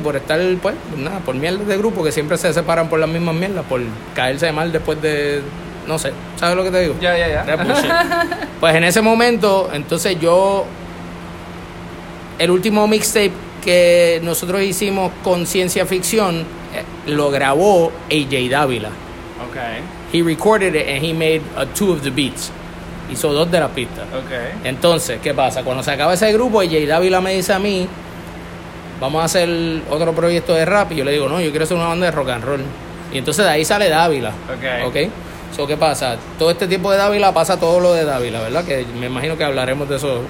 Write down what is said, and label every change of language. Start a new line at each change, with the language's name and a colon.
Spanish: Por estar, pues, nada, por mierdas de grupo, que siempre se separan por las mismas mierdas, por caerse mal después de, no sé, ¿sabes lo que te digo? Ya. Pues en ese momento, entonces yo, el último mixtape que nosotros hicimos con Ciencia Ficción lo grabó AJ Dávila.
English: Okay. He recorded it and he made a two of the beats.
Spanish: Hizo dos de las pistas.
English: Okay.
Spanish: Entonces, ¿qué pasa? Cuando se acaba ese grupo, AJ Dávila me dice a mí, vamos a hacer otro proyecto de rap. Y yo le digo, no, yo quiero hacer una banda de rock and roll. Y entonces de ahí sale Dávila.
English: Okay.
Spanish: So, ¿qué pasa? Todo este tiempo de Dávila pasa todo lo de Dávila, ¿verdad? Que me imagino que hablaremos de eso.